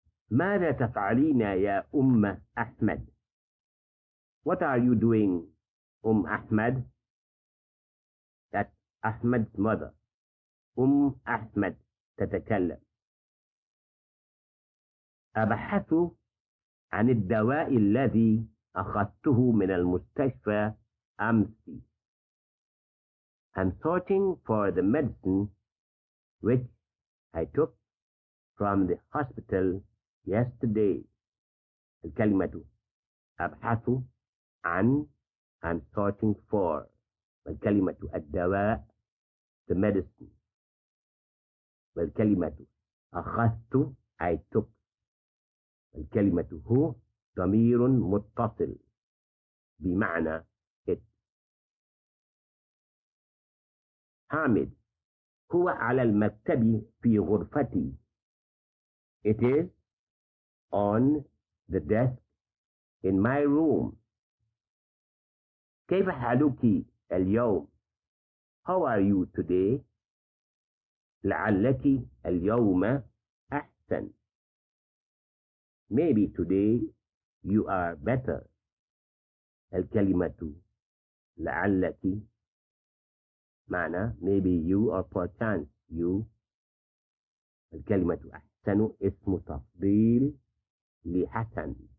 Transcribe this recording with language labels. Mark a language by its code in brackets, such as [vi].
[ar] ماذا تفعلين يا أم أحمد؟ [en] What are you doing, أم أحمد؟ That's Ahmed's mother. [ar] أم أحمد تتكلم. أبحث عن الدواء الذي أخذته من المستشفى أمس. [en] I'm searching for the medicine which I took from the hospital yesterday. [ar] الكلمة أبحث عن. [en] I'm searching for. [ar] الكلمة الدواء. [en] The medicine. [ar] والكلمة أخذت. [en] I took. [ar] الكلمة هو ضمير متصل بمعنى it. حامد هو على المكتب في غرفتي. [en] It is on the desk in my room. [ar] كيف حالك اليوم؟ [en] How are you today؟ [ar] لعلك اليوم أحسن. [en] Maybe today you are better. [ar] الكلمة لعلك معنى [en] maybe you or perchance you. [ar] الكلمة أحسن اسم تفضيل لحسن.